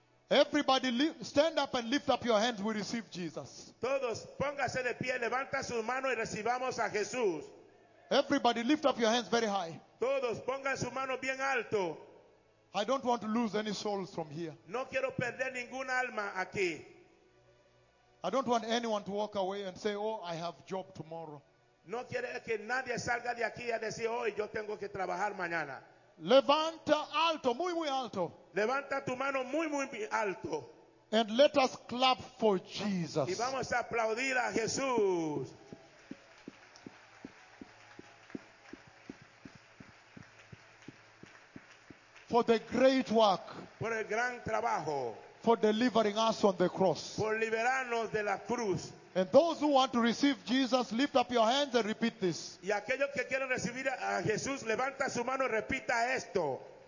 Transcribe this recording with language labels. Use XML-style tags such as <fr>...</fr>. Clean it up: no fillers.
<en>Everybody stand up and lift up your hands, we receive Jesus.</en> <es>Todos, póngase de pie, levanta sus manos y recibamos a Jesús.</es> <en>Everybody lift up your hands very high.</en> <es>Todos, pongan su mano bien alto.</es> <en>I don't want to lose any souls from here.</en> <es>No quiero perder ninguna alma aquí.</es> <en>I don't want anyone to walk away and say, oh, I have job tomorrow.</en> <es>No quiere que nadie salga de aquí y decir, oh, yo tengo que trabajar mañana. Levanta alto, muy, muy alto. Levanta tu mano muy, muy alto.</es> <en>And let us clap for Jesus.</en> <es>Y vamos a aplaudir a Jesús.</es> <en>For the great work.</en> <es>Por el gran trabajo.</es> <en>For delivering us on the cross.</en> <es>Por liberarnos de la cruz.</es> <en>And those who want to receive Jesus, lift up your hands and repeat this.</en> <es>Y aquellos que quieren recibir a Jesús, levanta su mano y repita esto.</es>